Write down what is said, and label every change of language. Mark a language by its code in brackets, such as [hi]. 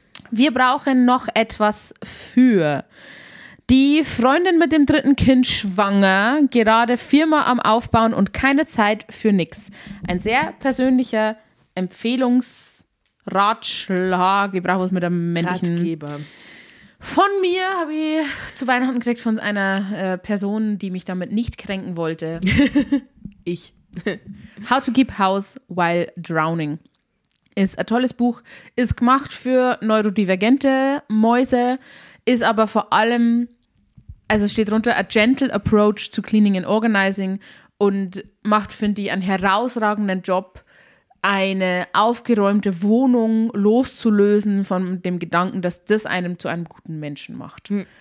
[de] Wir brauchen noch etwas für die Freundin mit dem dritten Kind schwanger, gerade Firma am Aufbauen und keine Zeit für nix. Ein sehr persönlicher Empfehlungsratschlag. Ich brauche was mit einem männlichen Ratgeber. Von mir habe ich zu Weihnachten gekriegt von einer Person, die mich damit nicht kränken wollte. Ich. [en] How to keep house while drowning. [de] Ist ein tolles Buch. Ist gemacht für neurodivergente Mäuse. Ist aber vor allem, also steht drunter, [en] a gentle approach to cleaning and organizing [de] und macht, finde ich, einen herausragenden Job, eine aufgeräumte Wohnung loszulösen von dem Gedanken, dass das einem zu einem guten Menschen macht.